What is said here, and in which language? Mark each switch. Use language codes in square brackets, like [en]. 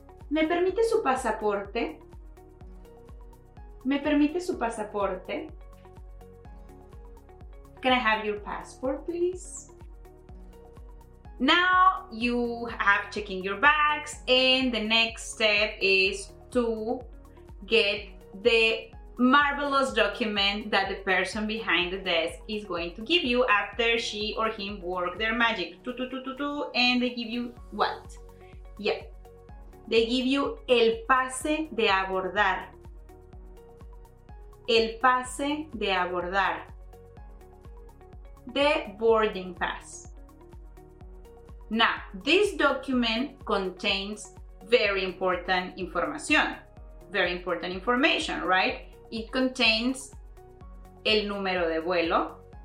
[es] ¿Me permite su pasaporte? ¿Me permite su pasaporte? [en] Can I have your passport, please? Now, you have checking your bags, and the next step is to get the marvelous document that the person behind the desk is going to give you after she or him work their magic. And they give you what? Yeah. They give you [es] el pase de abordar. El pase de abordar. [en] The boarding pass. Now, this document contains very important information. Very important information, right? It contains [es] el número de vuelo.